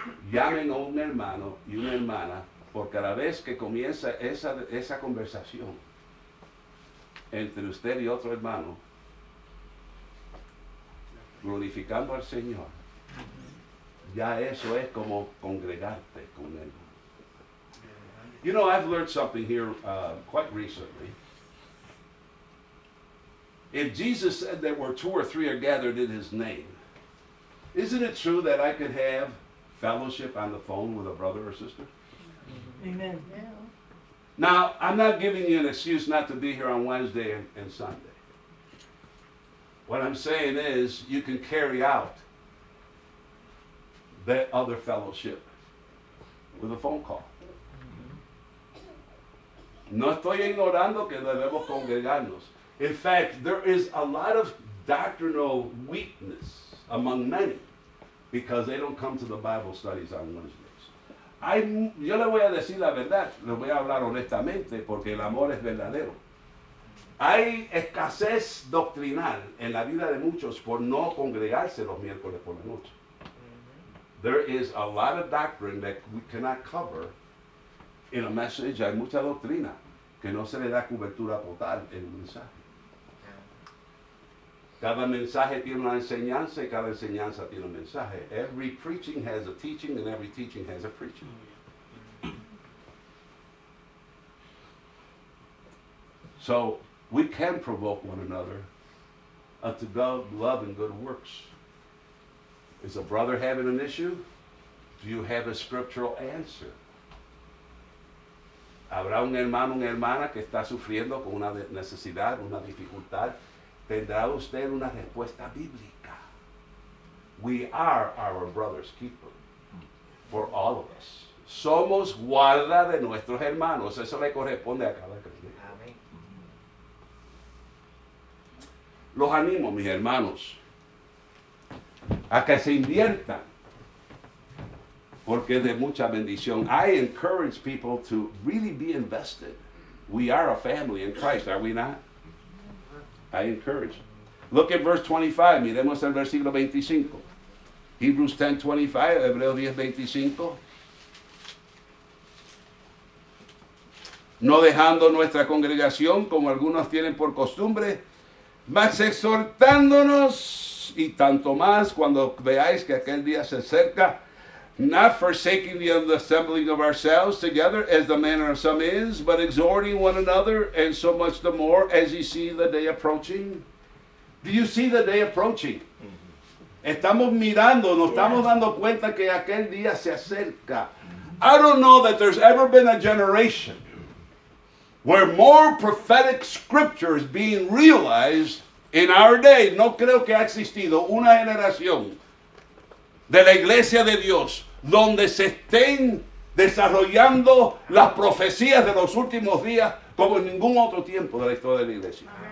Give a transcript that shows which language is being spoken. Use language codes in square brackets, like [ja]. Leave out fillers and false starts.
[es] Llamen a un hermano y una hermana, por cada vez que comienza esa conversación entre usted y otro hermano, glorificando al Señor, ya eso es como congregarte con Él. [en] You know, I've learned something here quite recently. If Jesus said that where two or three are gathered in his name, isn't it true that I could have fellowship on the phone with a brother or sister? Amen. Now, I'm not giving you an excuse not to be here on Wednesday and Sunday. What I'm saying is you can carry out that other fellowship with a phone call. [es] No estoy ignorando que debemos congregarnos. [en] In fact, there is a lot of doctrinal weakness among many because they don't come to the Bible studies on Wednesdays. [es] Yo le voy a decir la verdad, le voy a hablar honestamente porque el amor es verdadero. Hay escasez doctrinal en la vida de muchos por no congregarse los miércoles por la noche. There is a lot of doctrine that we cannot cover in a message. Hay mucha doctrina que no se le da cobertura total en un mensaje. Cada mensaje tiene una enseñanza y cada enseñanza tiene un mensaje. [en] Every preaching has a teaching and every teaching has a preaching. So, we can provoke one another unto God, love and good works. Is a brother having an issue? Do you have a scriptural answer? [es] ¿Habrá un hermano o una hermana que está sufriendo con una necesidad, una dificultad? ¿Tendrá usted una respuesta bíblica? [en] We are our brother's keeper for all of us. [es] Somos guarda de nuestros hermanos. Eso le corresponde a cada creyente. Los animo, mis hermanos, a que se inviertan, porque es de mucha bendición. [en] I encourage people to really be invested. We are a family in Christ, are we not? I encourage. Look at verse 25, [es] miremos el versículo 25. [en] Hebrews 10, 25, [es] Hebreos 10, 25. No dejando nuestra congregación, como algunos tienen por costumbre, más exhortándonos, y tanto más cuando veáis que aquel día se acerca, [en] not forsaking the assembling of ourselves together, as the manner of some is, but exhorting one another, and so much the more as you see the day approaching. Do you see the day approaching? Mm-hmm. [es] Estamos mirando, nos estamos dando cuenta que aquel día se acerca. [en] I don't know that there's ever been a generation where more prophetic scripture is being realized in our day. [es] No creo que ha existido una generación de la iglesia de Dios donde se estén desarrollando las profecías de los últimos días como en ningún otro tiempo de la historia de la iglesia.